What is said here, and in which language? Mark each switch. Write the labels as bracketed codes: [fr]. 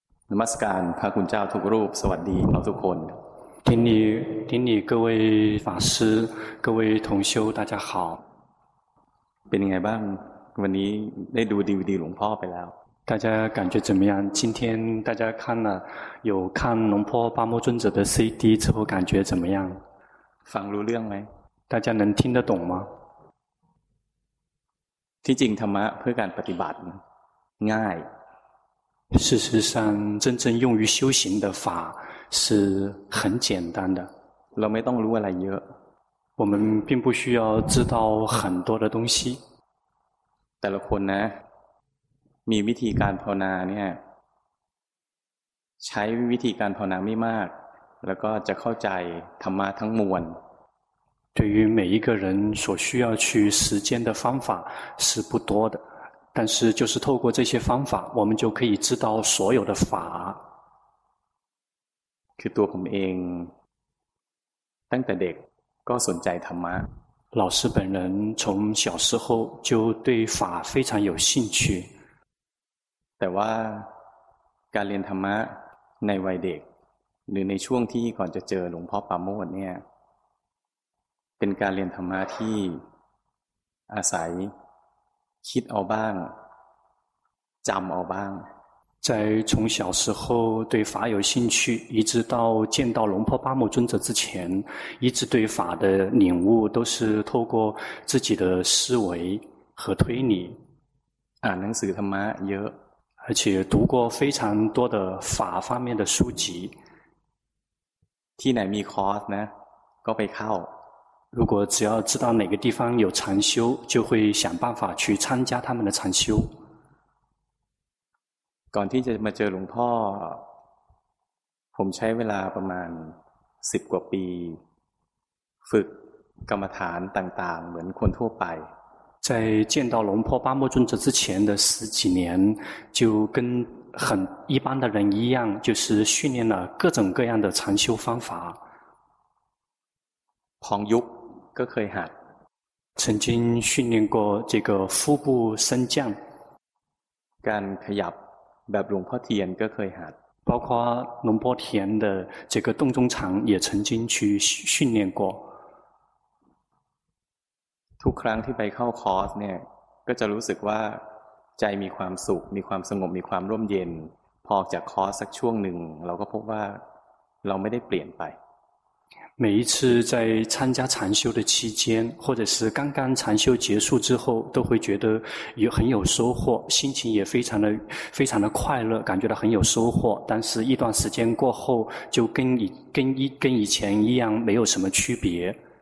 [th] นมัสการพระคุณเจ้าทุกรูปสวัสดีเราทุกคน ทีนี้ [zh] 各位法师各位同修大家好 [th] เป็นยังไงบ้างวันนี้ได้ดูดีวีดีหลวงพ่อไปแล้ว [zh] 大家感觉怎么样今天大家看了有看龙坡八木尊者的 CD 之后感觉怎么样 [th] ฟังรู้เรื่องไหม [zh] 大家能听得懂吗 [th] ที่จริงธรรมะเพื่อการปฏิบัติง่าย [zh] 事实上真正用于修行的法是很简单的 [th] เราไม่ต้องรู้อะไรเยอะ [zh] 我们并不需要知道很多的东西 [th] แต่ละคนนะมีวิธีการภาวนาเนี่ยใช้วิธีการภาวนาไม่มากแล้วก็จะเข้าใจธรรมะทั้งมวล [zh] 对于每一个人所需要去实践的方法是不多的但是就是透过这些方法我们就可以知道所有的法 [th] คือตัวผมเองตั้งแต่เด็กก็สนใจธรรมะ [zh] 老师本人从小时候就对法非常有兴趣 [th] แต่ว่าการเรียนธรรมะในวัยเด็กหรือในช่วงที่ก่อนจะเจอหลวงพ่อปาโมทย์เนี่ยเป็นการเรียนธรรมะที่อาศัยคิดเอาบ้างจำเอาบ้าง [zh] 在从小时候对法有兴趣一直到见到龙婆巴木尊者之前一直对法的领悟都是透过自己的思维和推理 [th] หนังสือธรรมะเยอะ [zh] 而且读过非常多的法方面的书籍 [th] ที่ไหนมีคอร์สนะก็ไปเข้า [zh] 如果只要知道哪个地方有禅修就会想办法去参加他们的禅修 [th] ก่อนที่จะมาเจอหลวงพ่อผมใช้เวลาประมาณ10กว่าปีฝึกกรรมฐานต่างๆเหมือนคนทั่วไป [zh] 在见到龙婆巴木尊者之前的十几年就跟很一般的人一样就是训练了各种各样的禅修方法 [th] 旁ยุคก็เคยหัด [zh] 曾经训练过这个腹部升降 [th] การขยับแบบหลวงพ่อเทียนก็เคยหัด [zh] 包括龙婆田的这个洞中场也曾经去训练过 [th] ทุกครั้งที่ไปเข้าคอร์สเนี่ยก็จะรู้สึกว่าใจมีความสุขมีความสงบมีความร่มเย็นพอจากคอร์สสักช่วงหนึ่งเราก็พบว่าเราไม่ได้เปลี่ยนไป [zh] 每一次在参加禅修的期间或者是刚刚禅修结束之后都会觉得有很有收获心情也非常的快乐感觉到很有收获但是一段时间过后就跟以前一样没有什么区别